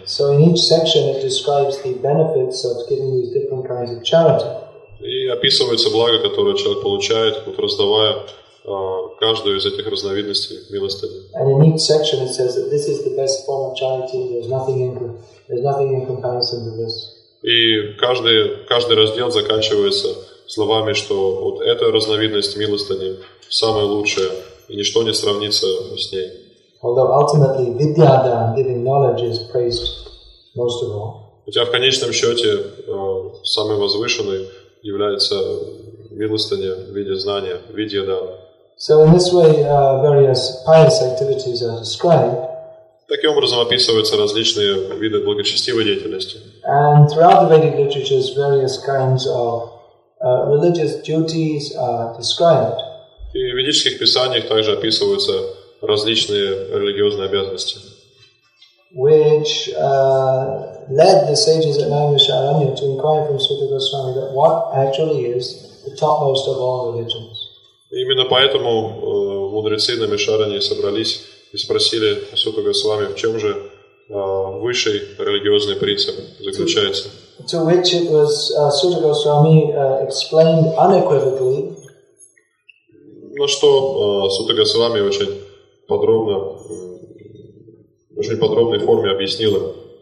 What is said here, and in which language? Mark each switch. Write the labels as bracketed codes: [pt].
[en] So in each section it describes the benefits of giving these different kinds of charity. [ru] И описывается благо, которое человек получает, вот раздавая каждую из этих разновидностей милостыни. [en] And in each section it says that this is the best form of charity. There's nothing in comparison to this. [ru] И каждый раздел заканчивается словами, что вот эта разновидность милостыни самая лучшая. И ничто не сравнится с ней. [en] Although ultimately vidyadan, giving knowledge, is praised most of all. [ru] Хотя в конечном счете самой возвышенной является милостыня в виде знания, vidyadan. [en] So in this way various pious activities are described. [ru] Таким образом описываются различные виды благочестивой деятельности. [en] And throughout the Vedic literatures various kinds of religious duties are described. [ru] И в ведических писаниях также описываются различные религиозные обязанности. [en] Which led the sages at Naimisharanya to inquire from Sutta Goswami that what actually is the topmost of all religions. [ru] Именно поэтому мудрецы на Мишаране собрались и спросили Сутта Госвами, в чем же высший религиозный принцип заключается. [en] To which it was Sutta Goswami explained unequivocally. [ru] Ну что, Сутта Госвами очень подробной форме объяснила.